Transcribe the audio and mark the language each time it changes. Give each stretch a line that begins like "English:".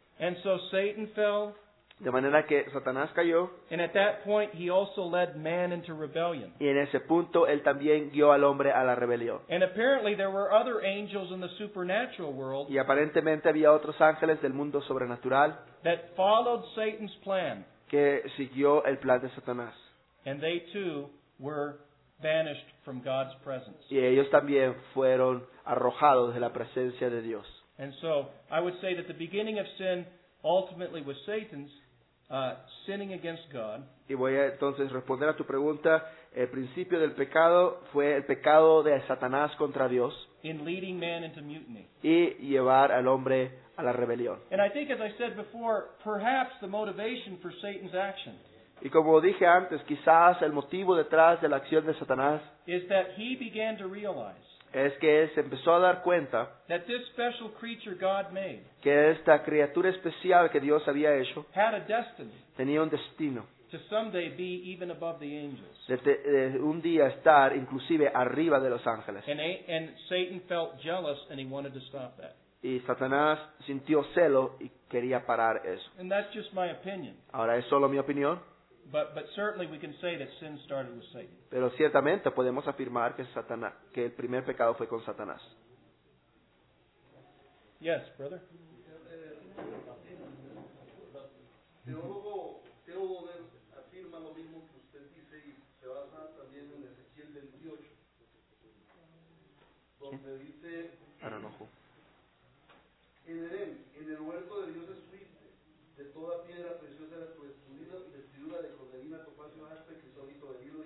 English: And so Satan fell.
Spanish: De manera que Satanás cayó.
English: And at that point he also led man into rebellion.
Spanish: Y en ese punto él también guió al hombre a la rebelión.
English: And apparently there were other angels in the supernatural world.
Spanish: Y aparentemente había otros ángeles del mundo sobrenatural.
English: That followed Satan's plan.
Spanish: Que siguió el plan de Satanás.
English: And they too were banished from God's presence.
Spanish: Y ellos también fueron arrojados de la presencia de Dios.
English: And so, I would say that the beginning of sin ultimately was Satan's, sinning against God.
Spanish: Y voy a entonces responder a tu pregunta. El principio del pecado fue el pecado de Satanás contra Dios.
English: In leading man into mutiny.
Spanish: Y llevar al hombre a la rebelión.
English: And I think, as I said before, perhaps the motivation for Satan's action.
Spanish: Y como dije antes, quizás el motivo detrás de la acción de Satanás
English: is that he began to realize
Spanish: es que él se empezó a dar cuenta
English: that this special creature God made
Spanish: que esta criatura especial que Dios había hecho
English: had a destiny
Spanish: tenía un destino
English: to someday be even above the angels.
Spanish: De un día estar inclusive arriba de los ángeles.
English: And Satan felt jealous and he wanted to stop that.
Spanish: Y Satanás sintió celo y quería parar eso.
English: And that's just my opinion.
Spanish: Ahora es solo mi opinión.
English: But certainly we can say that sin started with Satan.
Spanish: Pero ciertamente podemos afirmar que Satanás, que el primer pecado fue con Satanás.
English: Yes, brother.
Spanish: Teólogo afirma lo mismo que usted dice y se basa también en Ezequiel 28, donde dice, en Edén, en el huerto de Dios estuviste, de toda piedra preciosa era tu vestidura de cordelina, topacio, aspe, crisólito, berilo.